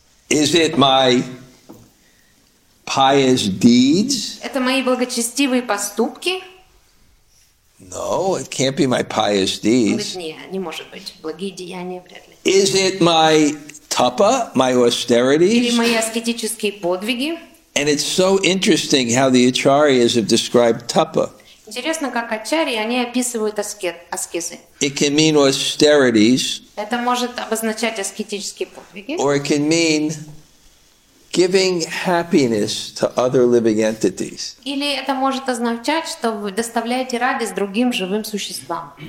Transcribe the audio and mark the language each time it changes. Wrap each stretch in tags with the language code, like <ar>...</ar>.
<en>Is it my pious deeds?</en> <ru>Это мои благочестивые поступки?</ru> <en>No, it can't be my pious deeds.</en> <ru>Он говорит, не может быть. Благие деяния вряд ли.</ru> <en>Is it my tapa, my austerities?</en> <ru>Или мои аскетические подвиги?</ru> <en>And it's so interesting how the acharyas have described tapa.</en> <ru>Интересно, как ачарьи, они описывают аскезы.</ru> <en>It can mean austerities.</en> <ru>Это может обозначать аскетические подвиги.</ru> <en>Or it can mean giving happiness to other living entities.</en> <ru>Или это может означать, что вы доставляете радость другим живым существам.</ru>